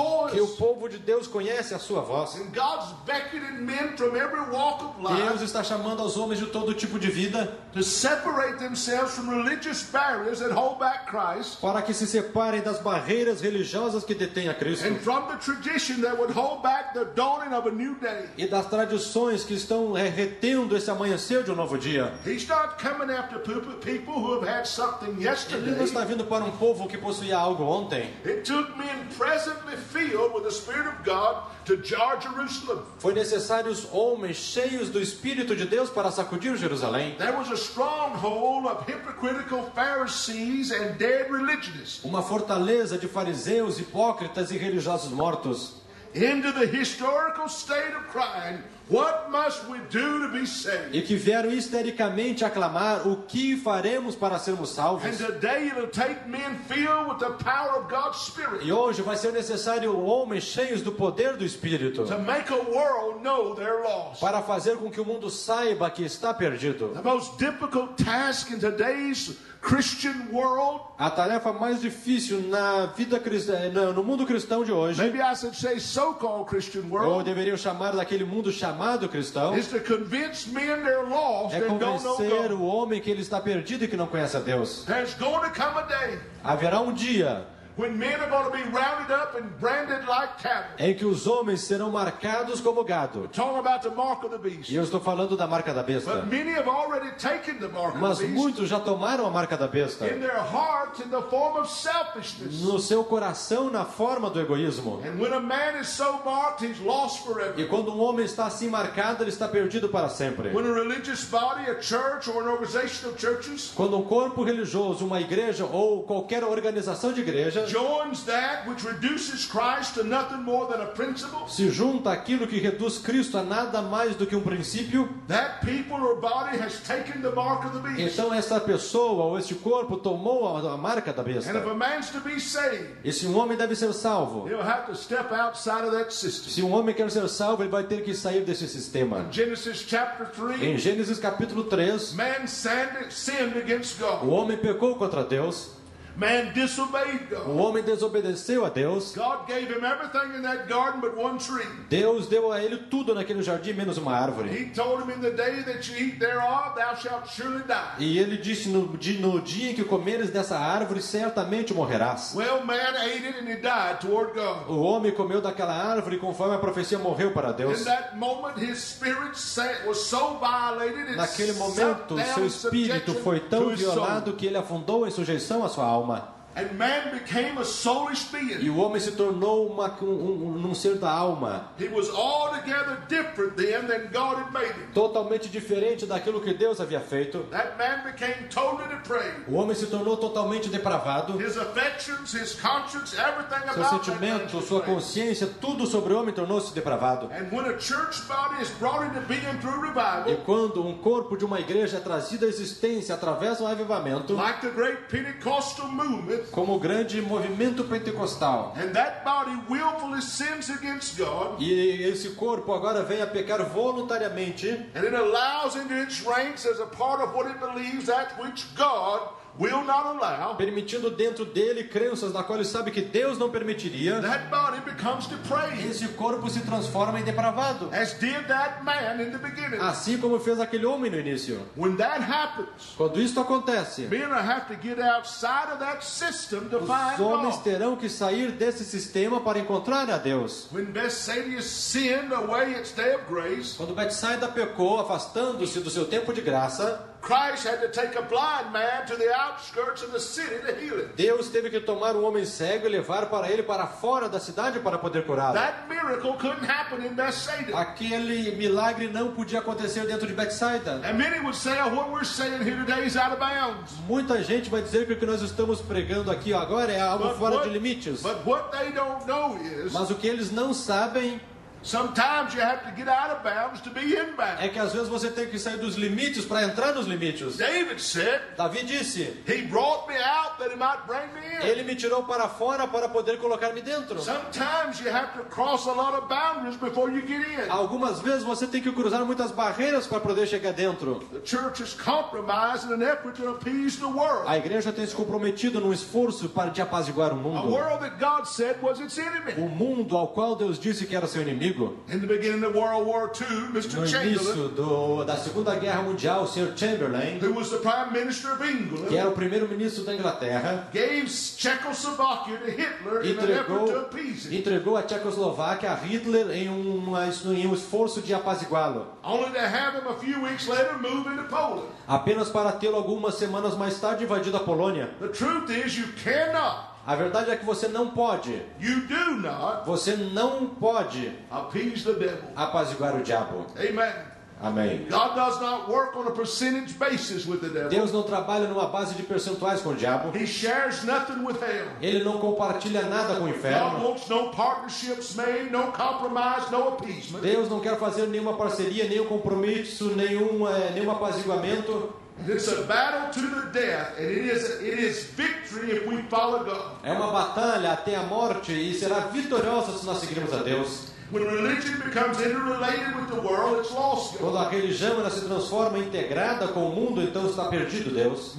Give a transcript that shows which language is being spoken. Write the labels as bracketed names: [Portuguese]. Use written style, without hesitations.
[Portuguese] Que o povo de Deus conhece a sua voz. [English] And God's beckoning men from every walk of life. [Portuguese] Deus está chamando aos homens de todo tipo de vida [English] to separate themselves from religious barriers that hold back Christ, [Portuguese] para que se separem das barreiras religiosas que detêm a Cristo, [English] and from the tradition that would hold back the dawning of a new day, [Portuguese] e das tradições que estão retendo esse amanhecer de um novo dia. [English] He's not coming after people who have had something yesterday. [Portuguese] Ele não está vindo para um povo que possuía algo ontem. [English] It took men presently filled with the Spirit of God to jar Jerusalem. [Portuguese] Foi necessário os homens cheios do Espírito de Deus para sacudir Jerusalém. [English] There was a stronghold of hypocritical Pharisees and dead religionists. [Portuguese] Uma fortaleza de fariseus, hipócritas e religiosos mortos. [English] Into the historical state of crime, What must we do to be saved? [Portuguese] E que vieram histericamente aclamar o que faremos para sermos salvos. [English] And today it'll take men filled with the power of God's Spirit. [Portuguese] E hoje vai ser necessário homens cheios do poder do Espírito. [English] To make a world know they're lost. [Portuguese] Para fazer com que o mundo saiba que está perdido. [English] The most difficult task in today's Christian world. [Portuguese] A tarefa mais difícil na vida cristã, no mundo cristão de hoje. [English] Maybe I should say so-called Christian world. [Portuguese] Ou deveria chamar daquele mundo chamado cristão. [English] Is to convince men they're lost. [Portuguese] É convencer o homem que ele está perdido e que não conhece a Deus. [English] There's going to come a day. [Portuguese] Haverá um dia. [English] When men are going to be rounded up and branded like cattle. [Portuguese] Em que os homens serão marcados como gado. [English] We're talking about the mark of the beast. [Portuguese] E eu estou falando da marca da besta. [English] But many have already taken the mark of the beast. [Portuguese] Mas muitos já tomaram a marca da besta. [English] In their heart, in the form of selfishness. [Portuguese] No seu coração, na forma do egoísmo. [English] And when a man is so marked, he's lost forever. [Portuguese] E quando um homem está assim marcado, ele está perdido para sempre. [English] When a religious body, a church or an organization of churches. [Portuguese] Quando um corpo religioso, uma igreja ou qualquer organização de igreja. [English] Joins that which reduces Christ to nothing more than a principle. [Portuguese] Se junta aquilo que reduz Cristo a nada mais do que um princípio. [English] That people or body has taken the mark of the beast. [Portuguese] Então essa pessoa ou esse corpo tomou a marca da besta. [English] And if a man's to be saved, [Portuguese] e se um homem deve ser salvo, [English] he'll have to step outside of that system. [Portuguese] Se um homem quer ser salvo, ele vai ter que sair desse sistema. [English] In Genesis chapter 3, [Portuguese] em Gênesis capítulo 3, [English] man sinned against God. [Portuguese] O homem pecou contra Deus. [English] Man disobeyed God. [Portuguese] O homem desobedeceu a Deus. [English] God gave him everything in that garden but one tree. [Portuguese] Deus deu a ele tudo naquele jardim menos uma árvore. [English] He told him in the day that you eat thereof, thou shalt surely die. [Portuguese] E ele disse no dia em que comeres dessa árvore certamente morrerás. [English] Well, man ate it and he died toward God. [Portuguese] O homem comeu daquela árvore conforme a profecia morreu para Deus. [English] In that moment, his spirit was so violated. [Portuguese] Naquele momento, seu espírito foi tão violado que ele afundou em sujeição à sua alma. [English] And man became a soulish being. [Portuguese] E o homem se tornou um ser da alma. [English] He was altogether different then than God had made him. [Portuguese] Totalmente diferente daquilo que Deus havia feito. [English] That man became totally depraved. [Portuguese] O homem se tornou totalmente depravado. [English] His affections, his conscience, everything [Portuguese] seu sentimento, sua consciência, tudo sobre o homem tornou-se depravado. [English] And when a church body is brought into being through revival, [Portuguese] e quando um corpo de uma igreja é trazido à existência através do avivamento, [English] like the great Pentecostal movement, [Portuguese] como o grande movimento pentecostal. [English] And that body willfully sins against God. [Portuguese] E esse corpo agora vem a pecar voluntariamente. [English] And it allows into its ranks as a part of what it believes that which God will not allow. [Portuguese] Permitindo dentro dele crenças da qual ele sabe que Deus não permitiria. [English] That body becomes depraved. [Portuguese] Esse corpo se transforma em depravado. [English] As did that man in the beginning. [Portuguese] Assim como fez aquele homem no início. [English] When that happens, [Portuguese] quando isso acontece, [English] men have to get outside of that system to find God. [Portuguese] Os homens terão que sair desse sistema para encontrar a Deus. [English] When Bethsaida sinned away its day of grace, [Portuguese] quando Bethsaida pecou, afastando-se do seu tempo de graça, [English] Christ had to take a blind man to the outskirts of the city to heal him. [Portuguese] Deus teve que tomar um homem cego e levar para ele para fora da cidade para poder curá-lo. [English] That miracle couldn't happen in Bethsaida. [Portuguese] Aquele milagre não podia acontecer dentro de Bethsaida. [English] And many would say, oh, what we're saying here today is out of bounds. [Portuguese] Muita gente vai dizer que o que nós estamos pregando aqui agora é algo fora de limites. [English] But what they don't know is. [Portuguese] Mas o que eles não sabem. [English] Sometimes you have to get out of bounds to be in bounds. [Portuguese] É que às vezes você tem que sair dos limites para entrar nos limites. [English] David said. [Portuguese] Davi disse. [English] He brought me out that he might bring me in. [Portuguese] Ele me tirou para fora para poder colocar-me dentro. [English] Sometimes you have to cross a lot of boundaries before you get in. [Portuguese] Algumas vezes você tem que cruzar muitas barreiras para poder chegar dentro. [English] The church is compromised in an effort to appease the world. [Portuguese] A igreja tem se comprometido num esforço para de apaziguar o mundo. [English] A world that God said was its enemy. [Portuguese] O mundo ao qual Deus disse que era seu inimigo. [English] In the beginning of World War II, Mr. [Portuguese] No início da Segunda Guerra Mundial, o Sr. Chamberlain, [English] who was the Prime Minister of England, [Portuguese] que era o primeiro-ministro da Inglaterra, [English] gave Czechoslovakia to Hitler in an effort to appease him. [Portuguese] Entregou a Tchecoslováquia a Hitler em um esforço de apaziguá-lo. [English] Only to have him a few weeks later move into Poland. [Portuguese] Apenas para tê-lo algumas semanas mais tarde invadido a Polônia. [English] The truth is, you cannot. [Portuguese] A verdade é que você não pode. [English] You do not. [Portuguese] Você não pode [English] appease the devil. [Portuguese] Apaziguar o diabo. [English] Amen. [Portuguese] Amém. [English] God does not work on a percentage basis with the devil. [Portuguese] Deus não trabalha numa base de percentuais com o diabo. [English] He shares nothing with hell. [Portuguese] Ele não compartilha nada com o inferno. [English] God wants no partnerships made, no compromise, no appeasement. [Portuguese] Deus não quer fazer nenhuma parceria, nenhum compromisso, nenhum apaziguamento. [English] It's a battle to the death, and it is victory if we follow God. [Portuguese] É uma batalha até a morte e será vitoriosa se nós seguirmos a Deus. [English] When religion becomes interrelated with the world, it's lost. [Portuguese] Quando a religião ela se transforma integrada com o mundo, então está perdido Deus.